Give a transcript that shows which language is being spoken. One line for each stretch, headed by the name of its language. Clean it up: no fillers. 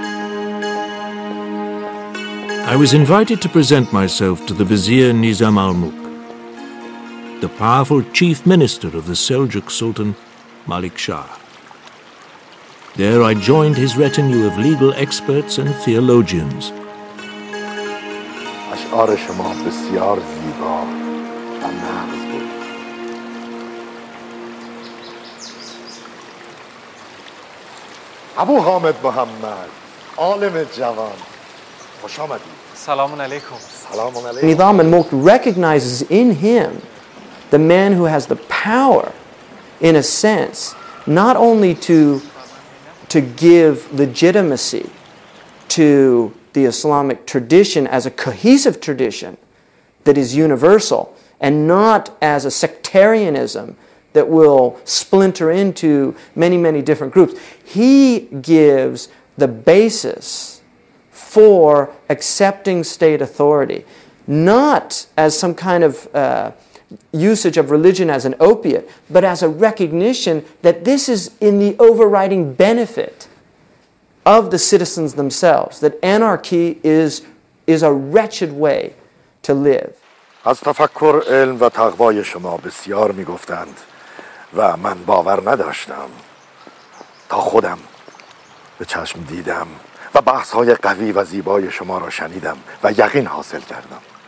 English: I was invited to present myself to the vizier Nizam al-Mulk, the powerful chief minister of the Seljuk Sultan Malik Shah. There I joined his retinue of legal experts and theologians.
Persian: اشعار شما بسیار زیبا و نغز بود. ابو حامد محمد، عالم جوان، خوش آمدید.
English: Nizam al-Mulk recognizes in him the man who has the power, in a sense, not only to give legitimacy to the Islamic tradition as a cohesive tradition that is universal and not as a sectarianism that will splinter into many, many different groups. He gives the basis for accepting state authority, not as some kind of usage of religion as an opiate, but as a recognition that this is in the overriding benefit of the citizens themselves, that anarchy is a wretched way to live.
Persian: از تفکر علم و تقوای شما بسیار می گفتند و من باور نداشتم تا خودم به چشم دیدم و بحث‌های قوی و زیبای شما را شنیدم و یقین حاصل کردم.